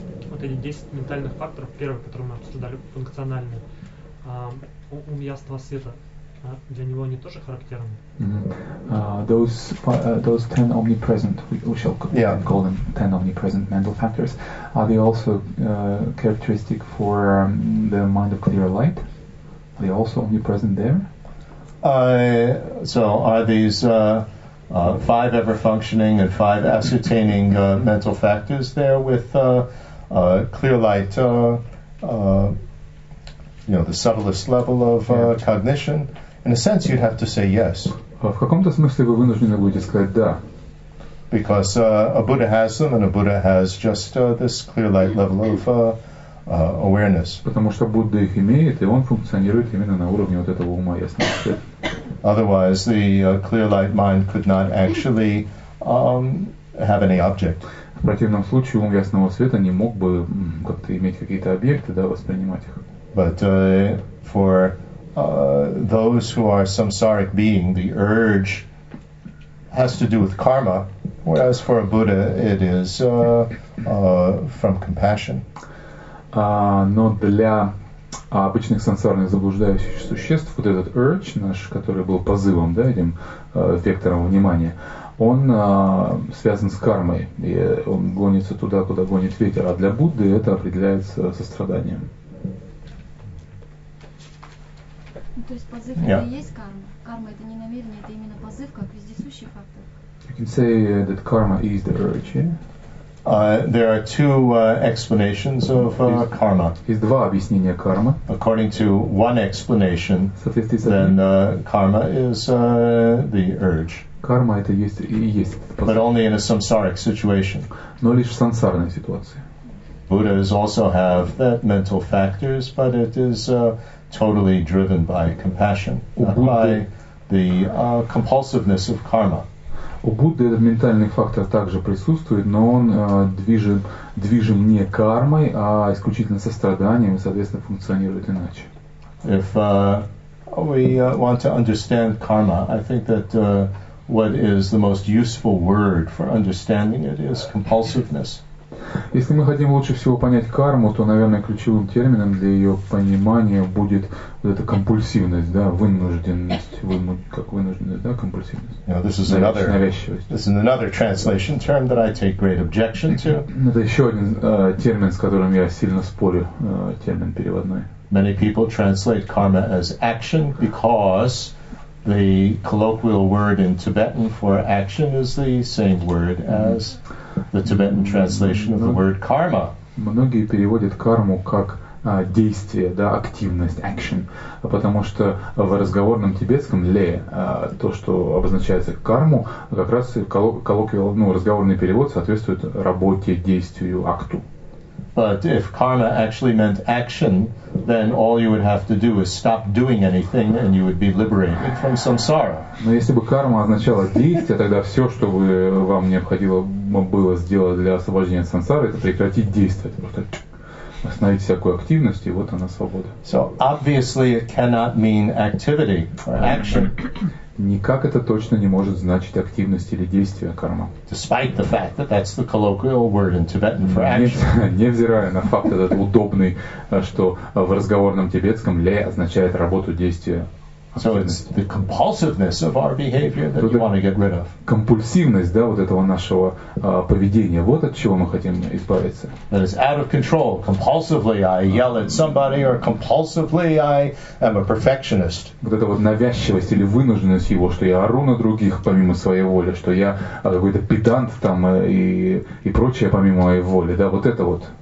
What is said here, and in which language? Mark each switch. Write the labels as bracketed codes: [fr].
[ru] Вот эти 10 ментальных факторов, первый, который мы обсуждали, функциональный. Ум ясного света, для него они тоже характерны? [en] Those 10 omnipresent, we shall call them 10 omnipresent mental factors, are they also characteristic for the mind of clear light? Are they also omnipresent there? So are these... five ever functioning and five ascertaining mental factors there with clear light, the subtlest level of cognition. In a sense, you'd have to say yes. [ru] В каком-то смысле вы вынуждены будете сказать да. [en] Because a Buddha has them, and a Buddha has just this clear light level of awareness. [ru] Потому что Будда их имеет, и он функционирует именно на уровне вот этого ума ясного света. [en] Otherwise, the clear light mind could not actually have any object. [ru] В противном случае ум ясного света не мог бы как-то иметь какие-то объекты, да, воспринимать их. [en] But for those who are samsaric being, the urge has to do with karma, whereas for a Buddha, it is from compassion. [ru] Но для обычных сенсорных заблуждающих существ вот этот urge наш, который был позывом, да, этим вектором внимания, он связан с кармой, и он гонится туда, куда гонит ветер, а для Будды это определяется состраданием. То есть позыв — это и есть карма? Карма — это не намерение, это именно позыв, как вездесущий фактор? [en] You can say that karma is the urge, yeah? There are two explanations of karma. [ru] Есть два объяснения кармы. [en] According to one explanation, then karma is the urge. [ru] Карма это есть. [en] But only in a samsaric situation. [ru] Но лишь в сансарной ситуации. [en] Buddhas also have that mental factors, but it is totally driven by compassion, not by the compulsiveness of karma. [ru] У Будды этот ментальный фактор также присутствует, но он движим не кармой, а исключительно состраданием, и, соответственно, функционирует иначе. [en] If we want to understand karma, I think that what is the most useful word for understanding it is compulsiveness. [ru] Если мы хотим лучше всего понять карму, то, наверное, ключевым термином для ее понимания будет вот эта компульсивность, да, вынужденность, как вынужденность, да, компульсивность. [en] Yeah, this is навязчивость. This is another translation term that I take great objection to. [ru] Это еще один термин, с которым я сильно спорю, термин переводной. [en] Many people translate karma as action because the colloquial word in Tibetan for action is the same word as the Tibetan translation of the word karma. [ru] Многие переводят карму как действие, да, активность, action. Потому что в разговорном тибетском ле то, что обозначается карму, как раз разговорный перевод соответствует работе, действию, акту. [en] But if karma actually meant action, then all you would have to do is stop doing anything and you would be liberated from samsara. [ru] Но если бы карма означала действие, тогда все, что бы вам необходимо было сделать для освобождения от сансары, это прекратить действовать, просто остановить всякую активность, и вот она свобода. [en] So obviously it cannot mean activity or action. [ru] Никак это точно не может значить активность или действие, карма. [en] Despite the fact that that's the colloquial word in Tibetan for action. [ru] Невзирая на факт этот удобный, что в разговорном тибетском ле означает работу, действие. [en] So it's the compulsiveness of our behavior that you want to get rid of. [ru] Компульсивность, да, вот этого нашего поведения. Вот от чего мы хотим избавиться. [en] That is out of control. Compulsively I yell at somebody, or compulsively I am a perfectionist. [ru] Вот эта вот навязчивость или вынужденность его, что я ору на других помимо своей воли, что я какой-то педант там и прочее помимо моей воли, да, вот это вот.